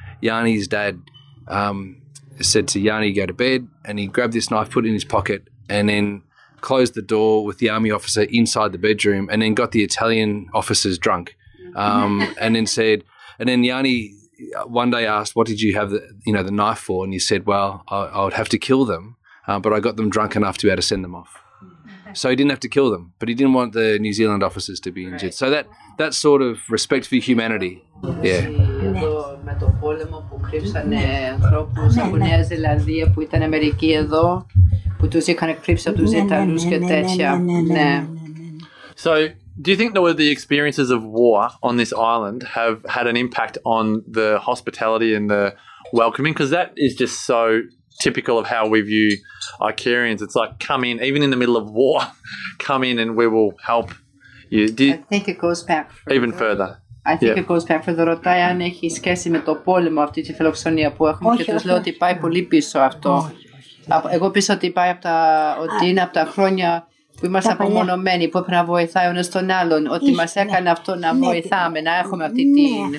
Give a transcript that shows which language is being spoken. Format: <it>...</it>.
<en>Yanni's dad said to Yanni, go to bed, and he grabbed this knife, put it in his pocket, and then closed the door with the army officer inside the bedroom, and then got the Italian officers drunk, and then said, and then Yanni one day asked, what did you have the knife for? And he said, well, I would have to kill them, but I got them drunk enough to be able to send them off. So he didn't have to kill them, but he didn't want the New Zealand officers to be injured. Right. So that sort of respect for humanity. Yeah.</en> <el>Με το πόλεμο που κρύψανε ανθρώπους από Νέα Ζηλανδία που ήταν Αμερική εδώ, που τους είχαν κρύψει από τους Ιταλούς και τέτοια.</el> <en>So, do you think that the experiences of war on this island have had an impact on the hospitality and the welcoming? Because that is just so typical of how we view Icarians. It's like, come in, even in the middle of war, come in and we will help you. I think it goes back further.</en> <el>Ρωτάει αν έχει σχέση με το πόλεμο αυτή τη φιλοξενία που έχουμε και τους λέω ότι πάει πολύ πίσω αυτό. Εγώ πίσω ότι πάει από τα, ότι είναι από τα χρόνια που είμαστε απομονωμένοι, που έπρεπε να βοηθάει ο ένας τον άλλον, ότι μας έκανε αυτό να βοηθάμε, να έχουμε αυτή την</el>